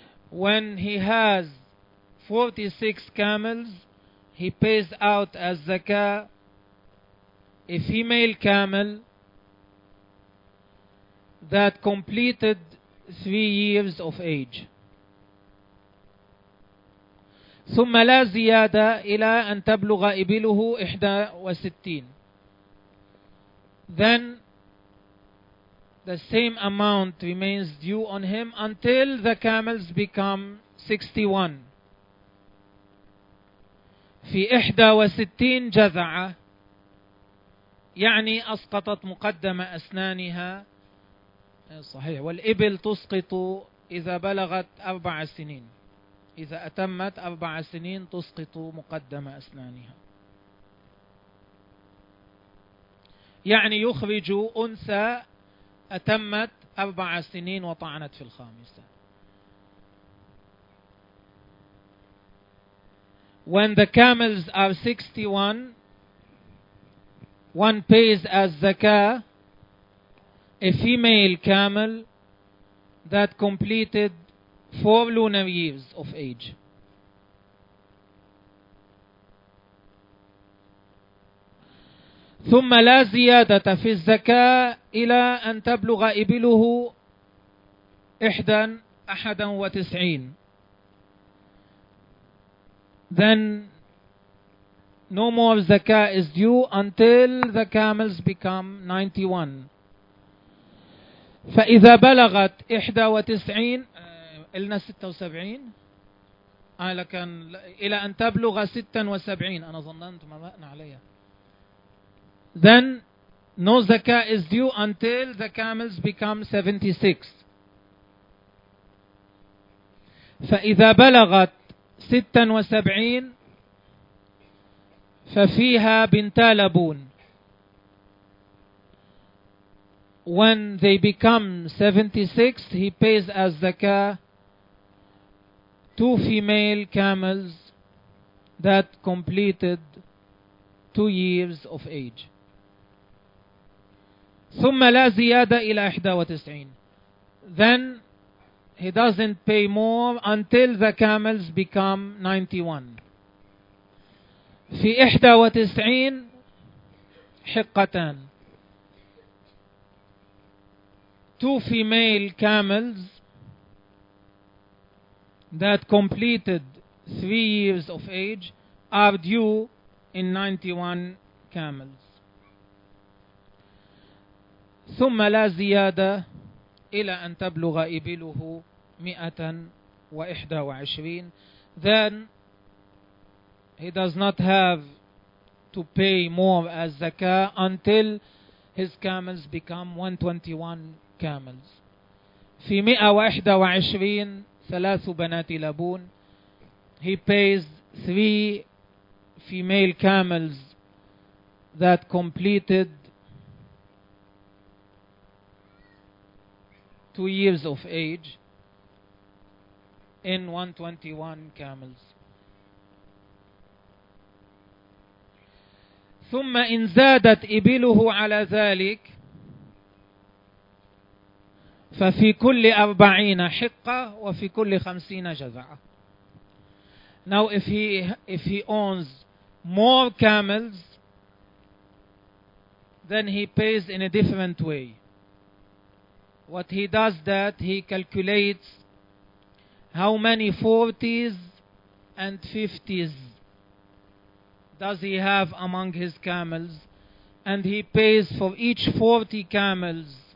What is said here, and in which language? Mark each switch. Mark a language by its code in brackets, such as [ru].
[en] When he has 46 camels, he pays out as zakah a female camel that completed 3 years of age. [ar] ثم لا زيادة إلى أن تبلغ إبله 61. [en] Then the same amount remains due on him until the camels become 61. [ar] في 61 جذعة يعني أسقطت مقدم أسنانها. صحيح، والإبل تسقط إذا بلغت 4 سنين. إذا أتمت 4 سنين تسقط مقدم أسنانها. يعني يخرج أنثى أتمت 4 سنين وطعنت في الخامسة. [en] When the camels are 61, one pays as zakah a female camel that completed 4 lunar years of age. [ar] ثم لا زيادة في الزكاة إلى أن تبلغ إبله 91. [en] Then no more zakah is due until the camels become 91. [ar] فإذا بلغت 91 إلنا 76 لكن إلى أن تبلغ 76 أنا ظننت ما بقنا عليها. [en] Then no zakah is due until the camels become 76. [ar] فإذا بلغت 76 ففيها بنتا لبون. [en] When they become 76, he pays as zakah 2 female camels that completed 2 years of age. [ar] ثم لا زيادة إلى 91. [en] Then he doesn't pay more until the camels become 91. [ar] في 91 حقتان. [en] 2 female camels that completed 3 years of age are due in 91 camels. [ar] ثم لا زيادة إلى أن تبلغ إبله 121. [en] Then he does not have to pay more as zakah until his camels become 121 camels. [ar] في 121 ثلاث بنات لبون. [en] He pays 3 female camels that completed 2 years of age in 121 camels. [ar] ثم إن زادت إبله على ذلك ففي كل 40 حقة وفي كل 50 جذعة. [en] Now if he owns more camels, then he pays in a different way. What he does that, he calculates how many 40s and 50s does he have among his camels, and he pays for each 40 camels